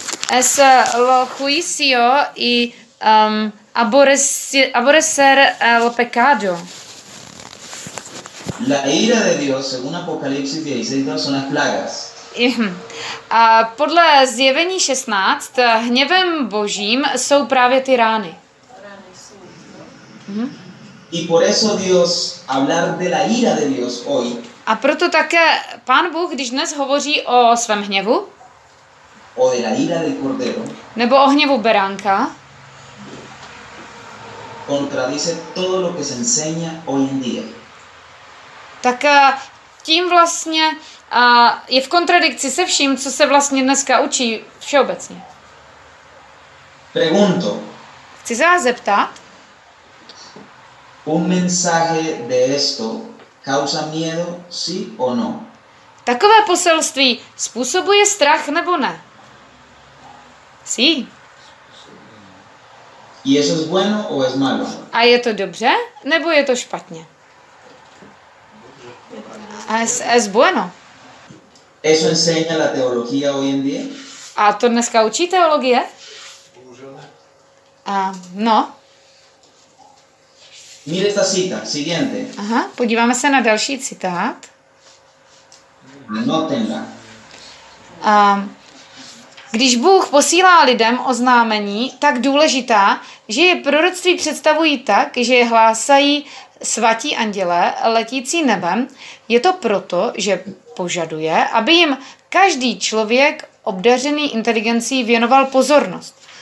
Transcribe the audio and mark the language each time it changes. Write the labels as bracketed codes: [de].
[es] Es lo juicio y aborrecer el pecado. La ira de Dios, según Apocalipsis 16:2, son las plagas. [cs] A podle Zjevení 16, hněvem Božím jsou právě ty rány. [es] Y por eso Dios hablar de la ira de Dios hoy. [cs] A proto také Pán Bůh, když dnes hovoří o svém hněvu, [es] o de la ira del cordero, [cs] nebo o hněvu beránka, [es] contradice todo lo que se enseña hoy en día. [cs] Tak tím vlastně je v kontradikci se vším, co se vlastně dneska učí všeobecně. [es] Pregunto. [cs] Chci se vás zeptat. [es] Un mensaje de esto causa miedo, sí o no? [cs] Takové poselství způsobuje strach nebo ne? [es] Sí. ¿Y eso es bueno o es malo? [cs] A je to dobře nebo je to špatně? [es] Es bueno. ¿Eso enseña la teología hoy en día? [cs] A to dneska učí teologie? Bohužel. [es] No. Mire esta cita, siguiente. [cs] Aha, podíváme se na další citát. [es] Anótenla. [cs] Když Bůh posílá lidem oznámení tak důležitá, že je proroctví představují tak, že je hlásají svatí anděle letící nebem, je to proto, že požaduje, aby jim každý člověk obdařený inteligencí věnoval pozornost.